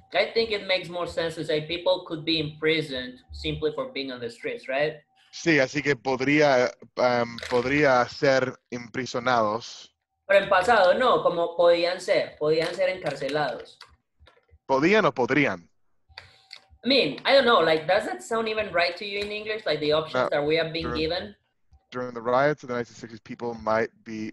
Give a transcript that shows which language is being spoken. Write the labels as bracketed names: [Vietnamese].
[English] I think it makes more sense to say people could be imprisoned simply for being on the streets, right? [Spanish] Sí, así que podría podría ser imprisionados. Pero en pasado no, como podían ser encarcelados. Podían o podrían. [English] I mean, I don't know, like, does that sound even right to you in English? Like, the options that we have been given? During the riots of the 1960s, people might be...